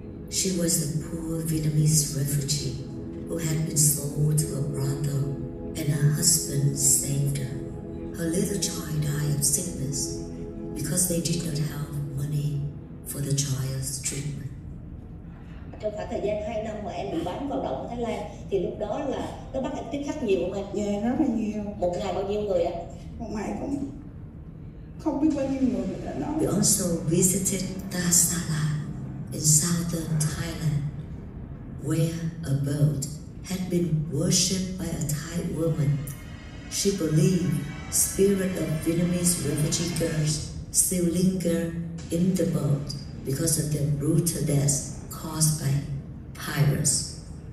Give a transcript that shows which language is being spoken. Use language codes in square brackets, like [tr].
[en] She was a poor Vietnamese refugee who had been sold to a brothel, and her husband saved her. Her little child died of sickness because they did not have money for the child's treatment. [vi] Trong khoảng thời gian 2 năm mà em bị bán vào động ở Thái Lan, thì lúc đó là nó bắt em tiếp khách nhiều không anh? Dạ, rất là nhiều. Một ngày bao nhiêu người ạ? Một ngày cũng không biết bao nhiêu người đã nói. [en] We also visited Ta Sala in southern Thailand, where a boat had been worshipped by a Thai woman. She believed spirit of Vietnamese refugee girls still linger in the boat because of their brutal deaths caused by pirates.